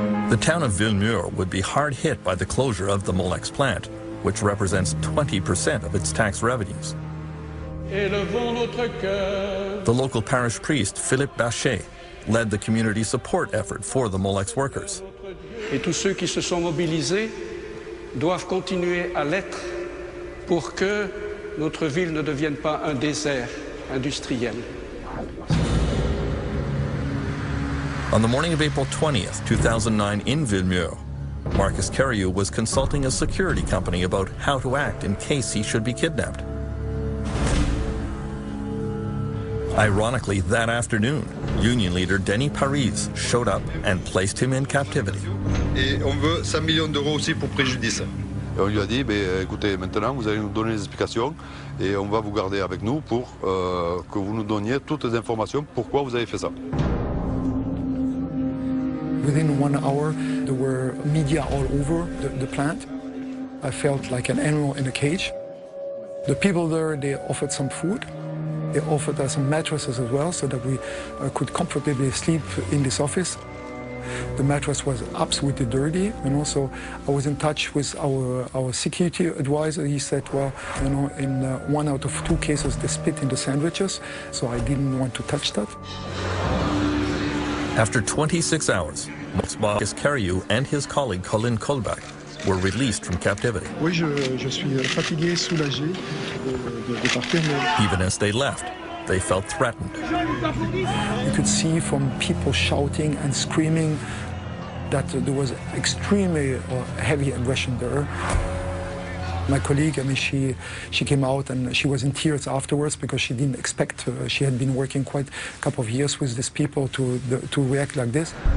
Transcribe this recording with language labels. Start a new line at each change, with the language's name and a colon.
English: The town of Villemur would be hard hit by the closure of the Molex plant, which represents 20% of its tax revenues. The local parish priest, Philippe Bachet, led the community support effort for the Molex workers.
French: Et tous ceux qui se sont mobilisés doivent continuer à l'être pour que notre ville ne devienne pas un désert industriel.
English: On the morning of April 20th, 2009, in Villemur, Marcus Carieu was consulting a security company about how to act in case he should be kidnapped. Ironically, that afternoon, union leader Denis Paris showed up and placed him in captivity.
French: Et on veut 5 millions d'euros aussi pour préjudice. Et on lui a dit, écoutez, maintenant vous allez nous donner les explications et on va vous garder avec nous pour que vous nous donniez toutes les informations pourquoi vous avez fait ça.
English: Within 1 hour, there were media all over the plant. I felt like an animal in a cage. The people there, they offered some food. They offered us some mattresses as well, so that we could comfortably sleep in this office. The mattress was absolutely dirty, and also I was in touch with our security advisor. He said, well, you know, in one out of two cases, they spit in the sandwiches, so I didn't want to touch that. After 26 hours, Marcus Carieu and his colleague Colin Colbeck were released from captivity.
French: Oui, je suis fatigué, soulagé de partir, mais...
English: Even as they left, they felt threatened. You could see from people shouting and screaming that there was extremely heavy aggression there. My colleague, I mean, she came out and she was in tears afterwards because she didn't expect, she had been working quite a couple of years with these people to react like this.